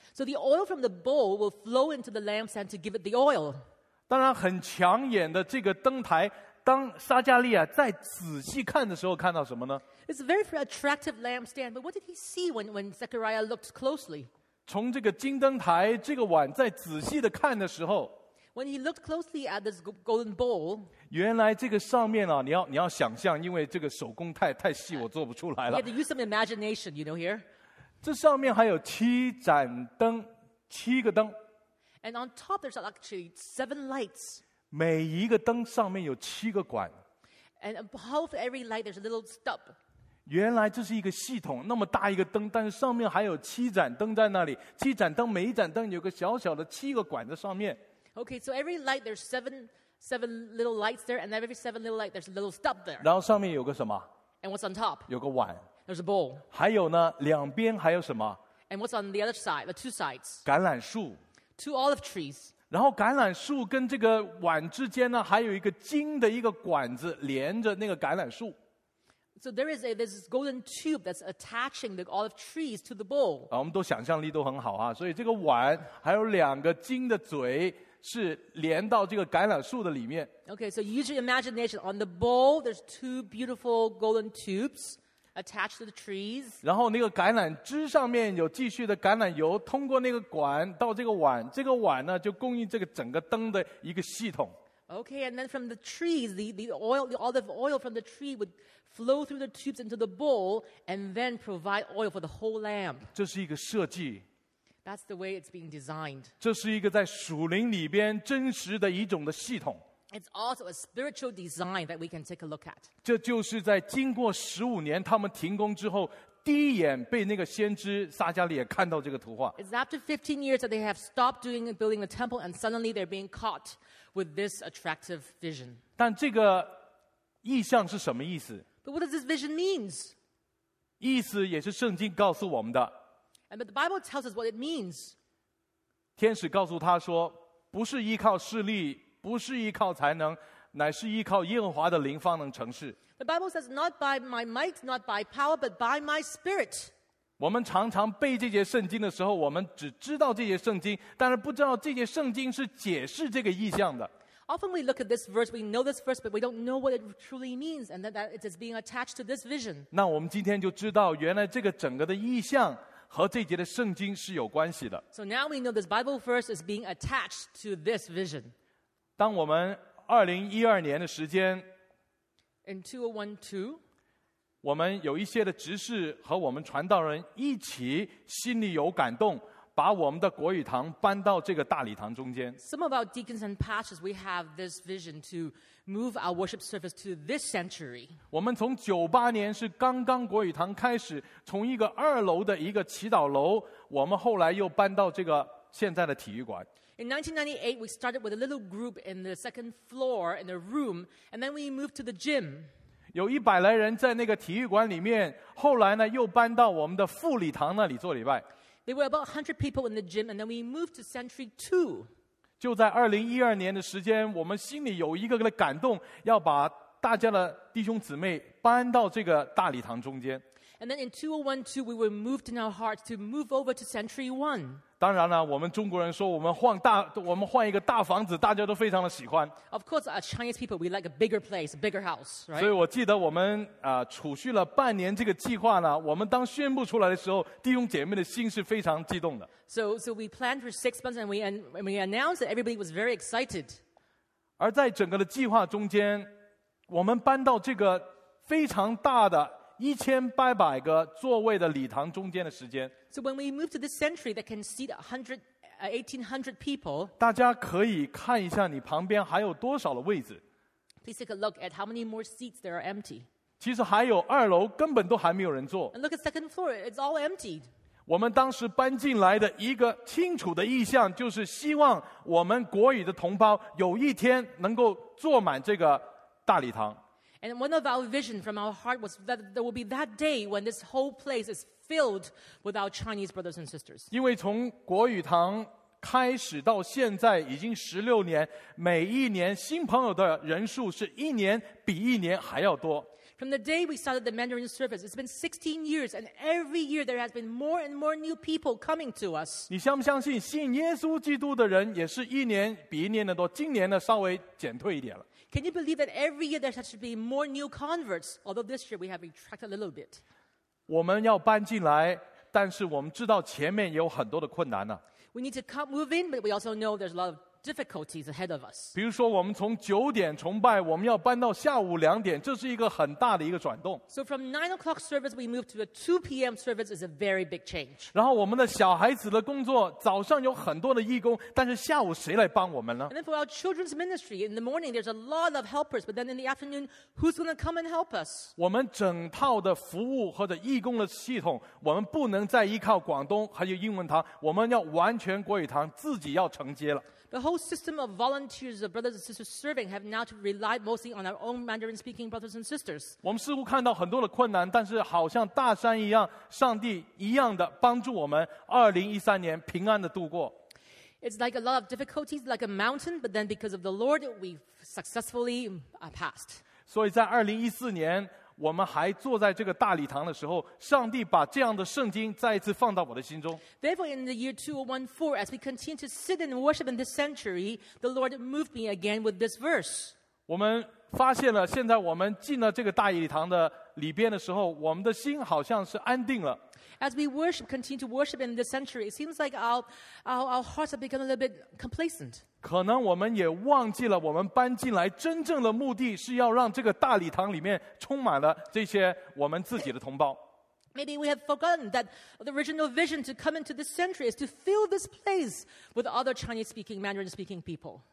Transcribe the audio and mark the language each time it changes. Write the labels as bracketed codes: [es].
[en] So the oil from the bowl will flow into the lampstand to give it the oil. [zh] 当然，很抢眼的这个灯台。当撒加利亚再仔细看的时候，看到什么呢 [en] ？It's a very attractive lampstand, but what did he see when Zechariah looked closely? [zh] 从这个金灯台这个碗再仔细的看的时候 [en] ，When he looked closely at this golden bowl, [zh] 原来这个上面啊，你要想象，因为这个手工太细，我做不出来了。 [en] You have to use some imagination, you know here. [zh] 这上面还有七盏灯，七个灯。 [en] And on top, there's actually seven lights. [zh] 每一个灯上面有七个管 [en] ，and above every light there's a little stub. [zh] 原来这是一个系统，那么大一个灯，但是上面还有七盏灯在那里。七盏灯，每一盏灯有个小小的七个管在上面。 [en] Okay, so every light there's seven little lights there, and every seven little light there's a little stub there. [zh] 然后上面有个什么 [en] ？And what's on top? [zh] 有个碗。 [en] There's a bowl. [zh] 还有呢，两边还有什么 [en] ？And what's on the other side? The two sides. [zh] 橄榄树。 [en] Two olive trees. [zh] 然后橄榄树跟这个碗之间呢，还有一个金的一个管子连着那个橄榄树。 [en] So there is this golden tube that's attaching the olive trees to the bowl. [zh] 啊，我们都想象力都很好啊，所以这个碗还有两个金的嘴是连到这个橄榄树的里面。 [en] Okay, so use your imagination. On the bowl, there's two beautiful golden tubes attached to the trees. [zh] 然后那个橄榄枝上面有继续的橄榄油通过那个管到这个碗，这个碗呢就供应这个整个灯的一个系统。 [en] Okay, and then from the trees, the oil, the olive oil from the tree would flow through the tubes into the bowl, and then provide oil for the whole lamp. [zh] 这是一个设计。 [en] That's the way it's being designed. [zh] 这是一个在属灵里边真实的一种的系统。 [en] It's also a spiritual design that we can take a look at. [zh] 这就是在经过十五年他们停工之后，第一眼被那个先知撒加利亚看到这个图画。 [en] It's after 15 years that they have stopped doing building the temple, and suddenly they're being caught with this attractive vision. [zh] 但这个意象是什么意思 [en] ？But what does this vision means? [zh] 意思也是圣经告诉我们的。 [en] And but the Bible tells us what it means. [zh] 天使告诉他说，不是依靠势力。不是依靠才能，乃是依靠耶和华的灵方能成事。 [en] The Bible says, not by my might, not by power, but by my spirit. [zh] 我们常常背这节圣经的时候，我们只知道这节圣经，但是不知道这节圣经是解释这个意象的。 [en] Often we look at this verse, we know this verse, but we don't know what it truly means, and that it is being attached to this vision. [zh] 那我们今天就知道，原来这个整个的意象和这节的圣经是有关系的。 [en] So now we know this Bible verse is being attached to this vision. [zh] 当我们2012年的时间 [en] ，in 2012， [zh] 我们有一些的执事和我们传道人一起心里有感动，把我们的国语堂搬到这个大礼堂中间。 [en] Some of our deacons and pastors, we have this vision to move our worship service to this sanctuary. [zh] 我们从98年是刚刚国语堂开始，从一个二楼的一个祈祷楼，我们后来又搬到这个现在的体育馆。 [en] In 1998, we started with a little group in the second floor in the room, and then we moved to the gym. [zh] 有一百来人在那个体育馆里面，后来呢又搬到我们的副礼堂那里做礼拜。 [en] There were about 100 people in the gym, and then we moved to Century 2. [zh] 就在2012年的时间，我们心里有一个的感动，要把大家的弟兄姊妹搬到这个大礼堂中间。 [en] And then in 2012, we were moved in our hearts to move over to Century 1. [zh] 当然了，我们中国人说我们换一个大房子，大家都非常的喜欢。 [en] Of course, as Chinese people, we like a bigger place, a bigger house, right? [zh] 所以我记得我们储蓄了半年这个计划呢。我们当宣布出来的时候，弟兄姐妹的心是非常激动的。 [en] So we planned for 6 months, and we announced it. Everybody was very excited. [zh] 而在整个的计划中间，我们搬到这个非常大的。 1800个座位的礼堂中间的时间。 [en] So when we move to this sanctuary that can seat 1800 people, [zh] 大家可以看一下你旁边还有多少的位置。 [en] Please take a look at how many more seats there are empty. [zh] 其实还有二楼根本都还没有人坐。 [en] And look at second floor, it's all emptied. [zh] 我们当时搬进来的一个清楚的意向就是希望我们国语的同胞有一天能够坐满这个大礼堂。 [en] And one of our vision from our heart was that there will be that day when this whole place is filled with our Chinese brothers and sisters. [zh] 因为从国语堂开始到现在已经16年，每一年新朋友的人数是一年比一年还要多。 [en] From the day we started the Mandarin service, it's been 16 years, and every year there has been more and more new people coming to us. [zh] 你相不相信信耶稣基督的人也是一年比一年的多，今年呢稍微减退一点了。 [en] Can you believe that every year there should be more new converts, although this year we have retracted a little bit? [zh] 我们要搬进来，但是我们知道前面有很多的困难呢。 [en] We need to come move in, but we also know there's a lot of difficulties ahead of us. [zh] 比如说我们从九点崇拜，我们要搬到下午两点，这是一个很大的一个转动。 [en] So from 9 o'clock service, we move to a 2 p.m. service is a very big change. [zh] 然后我们的小孩子的工作，早上有很多的义工，但是下午谁来帮我们呢 [en] ？And then for our children's ministry, in the morning there's a lot of helpers, but then in the afternoon, who's going to come and help us? [zh] 我们整套的服务或者义工的系统，我们不能再依靠广东还有英文堂，我们要完全国语堂自己要承接了。 [en] The whole system of volunteers, of brothers and sisters serving, have now to rely mostly on our own Mandarin-speaking brothers and sisters. [zh] 我们似乎看到很多的困难，但是好像大山一样，上帝一样的帮助我们2013年平安的度过。 [en] It's like a lot of difficulties, like a mountain, but then because of the Lord, we successfully passed. [zh] 所以在2014年，我们还坐在这个大礼堂的时候，上帝把这样的圣经再一次放到我的心中。 [en] Therefore, in the year 2014, as we continue to sit and worship in this sanctuary, the Lord moved me again with this verse. [zh] 我们发现了，现在我们进了这个大礼堂的里边的时候，我们的心好像是安定了。 [en] As we worship, continue to worship in this sanctuary, it seems like our hearts have become a little bit complacent. [zh] 可能我们也忘记了，我们搬进来真正的目的是要让这个大礼堂里面充满了这些我们自己的同胞。 [en] Maybe we have forgotten that the original vision to come into this sanctuary is to fill this place with other Chinese-speaking, Mandarin-speaking people.